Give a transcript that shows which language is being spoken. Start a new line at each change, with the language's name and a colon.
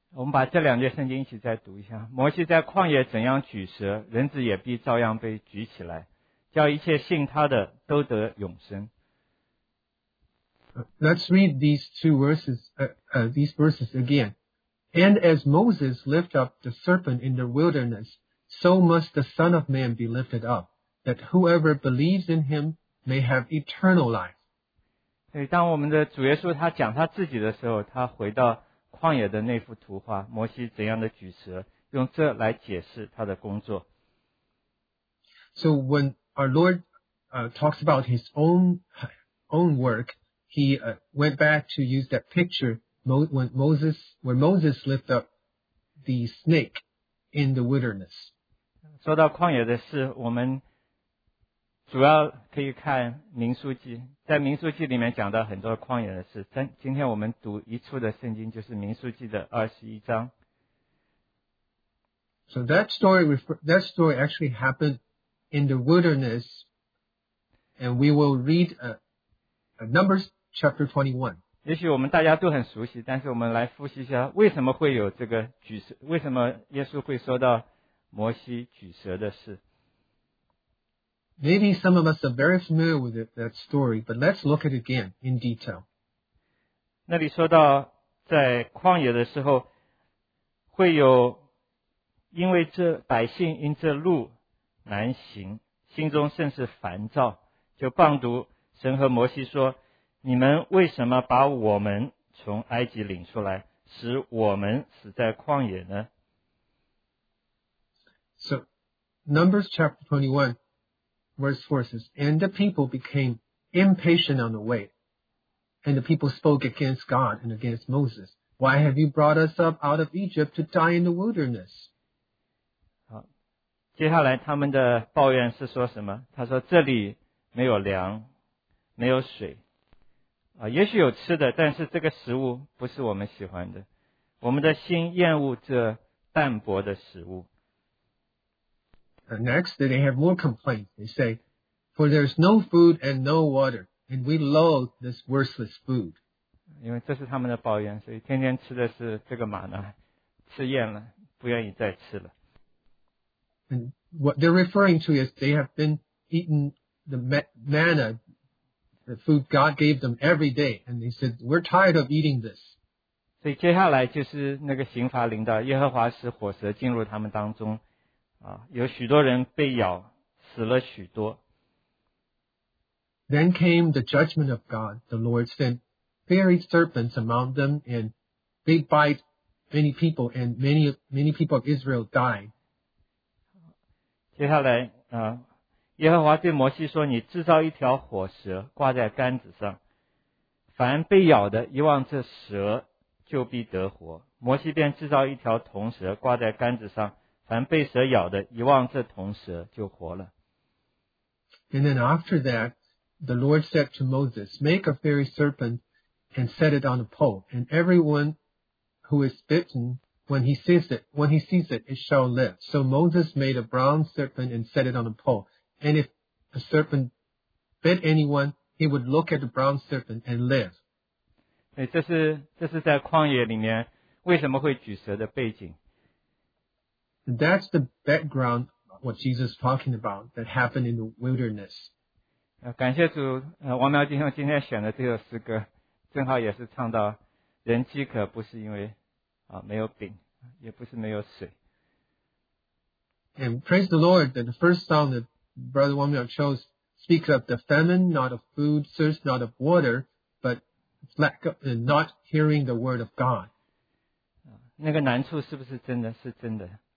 Chinese: 我们把这两节圣经一起再读一下。摩西在旷野怎样举蛇，人子也必照样被举起来，叫一切信他的都得永生。
English: Let's read these two verses, these verses again. And as Moses lifted up the serpent in the wilderness, so must the Son of Man be lifted up, that whoever believes in him may have eternal life.
Chinese: 所以当我们的主耶稣他讲他自己的时候，他回到旷野的那幅图画，摩西怎样的举蛇，用这来解释他的工作。
English: So when our Lord talks about his own work,He went back to use that picture when Moses lifted up the snake in the wilderness.
Chinese: 说到旷野的事，我们主要可以看民数记，在民数记里面讲到很多旷野的事。今天我们读一处的圣经，就是民数记的21章。
English: So that story actually happened in the wilderness, and we will read a numbers. Chapter 21.
Chinese: 也许我们大家都很熟悉，但是我们来复习一下，为什么会有这个举蛇？为什么耶稣会说到摩西举蛇的事
English: ？Maybe some of us are very familiar with that story, but let's look at it again in detail.
Chinese: 那里说到在旷野的时候会有因为这百姓因这路难行，心中甚是烦躁，就谤读神和摩西说，你们为什么把我们从埃及领出来，使我们死在旷野呢？
English: So, Numbers chapter 21, verse 4 says, And the people became impatient on the way, and the people spoke against God and against Moses. Why have you brought us up out of Egypt to die in the wilderness?
Chinese: 好，接下来他们的抱怨是说什么？他说这里没有粮，没有水。也许有吃的，但是这个食物不是我们喜欢的。我们的心厌恶这淡薄的食物。
English: Next, they have more complaints. They say, For there's no food and no water, and we loathe this worthless food.
Chinese: 因为这是他们的抱怨，所以天天吃的是这个玛纳，吃厌了，不愿意再吃了。
English: And what they're referring to is they have been eating the manna,The food God gave them every day, and they said, "We're tired of eating this."
Chinese: 所以接下来就是那个刑罚临到，耶和华使火蛇进入他们当中，啊，有许多人被咬，死了许多。
English: Then came the judgment of God. The Lord sent fiery serpents among them, and they bite many people, and many people of Israel died.
Chinese: 接下来，啊。耶和华对摩西说，你制造一条火蛇挂在杆子上，凡被咬的一望这蛇就必得活。摩西便制造一条铜蛇挂在杆子上，凡被蛇咬的一望这铜蛇就活了。
English: And then after that, the Lord said to Moses, make a fiery serpent and set it on a pole, and everyone who is bitten, when he sees it, it shall live. So Moses made a bronze serpent and set it on a pole. And if a serpent bit anyone, he would look at the brown serpent and live.
Chinese: 对，这是在旷野里面为什么会举蛇的背景。
English: That's the background what Jesus is talking about that happened in the wilderness.
Chinese: 感谢主，王苗弟兄今天选的这首诗歌，正好也是唱到人饥渴不是因为没有饼，也不是没有水。
English: And praise the Lord that the first song thatBrother Wang Miao chose speaks of the famine, not of food, thirst, not of water, but lack of, not hearing the word of God.
Chinese: 那个难处是不是真的？是真的。